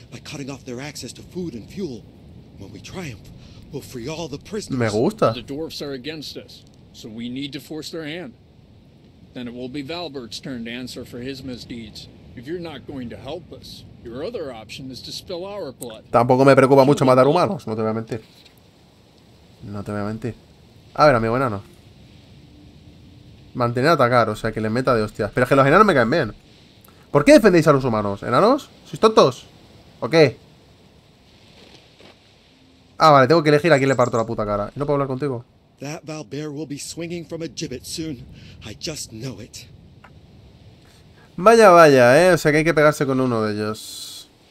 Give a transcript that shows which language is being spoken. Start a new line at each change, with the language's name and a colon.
English: by cutting off their access to food and fuel. When we triumph, we'll free all the prisoners.
Spanish: Me gusta.
English: The dwarves are against us, so we need to force their hand. Then it will be Valbert's turn to answer for his misdeeds. If you're not going to help us, your other option is to spill our blood.
Spanish: Tampoco me preocupa mucho matar humanos, no te voy a mentir. No te voy a mentir. A ver, amigo enano. Mantener a atacar, o sea, que le meta de hostias. Pero es que los enanos me caen bien. ¿Por qué defendéis a los humanos? ¿Enanos? ¿Sois tontos? ¿O qué? Ah, vale, tengo que elegir a quién le parto la puta cara. ¿Y no puedo hablar contigo?
English: That Valbert will be swinging from a gibbet soon. I just know it.
Spanish: Vaya, vaya, ¿eh? O sea, que hay que pegarse con uno de ellos.